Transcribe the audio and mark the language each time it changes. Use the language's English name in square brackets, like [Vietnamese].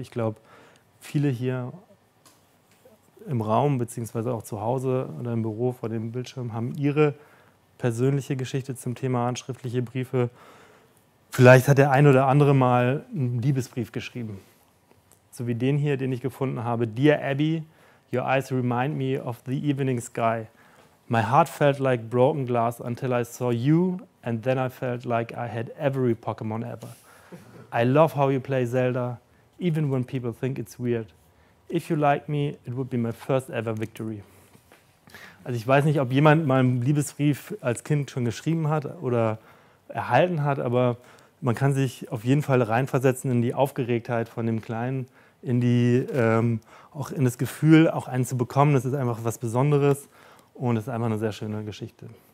[German] Ich glaube, viele hier im Raum bzw. auch zu Hause oder im Büro vor dem Bildschirm haben ihre persönliche Geschichte zum Thema handschriftliche Briefe. Vielleicht hat der ein oder andere mal einen Liebesbrief geschrieben. So wie den hier, den ich gefunden habe. [English] Dear Abby, your eyes remind me of the evening sky. My heart felt like broken glass until I saw you and then I felt like I had every Pokémon ever. I love how you play Zelda, even when people think it's weird. If you like me, it would be my first ever victory. [German] Also ich weiß nicht, ob jemand mal einen Liebesbrief als Kind schon geschrieben hat oder erhalten hat, aber man kann sich auf jeden Fall reinversetzen in die Aufgeregtheit von dem Kleinen, in die auch in das Gefühl, auch einen zu bekommen. Das ist einfach was Besonderes und es ist einfach eine sehr schöne Geschichte.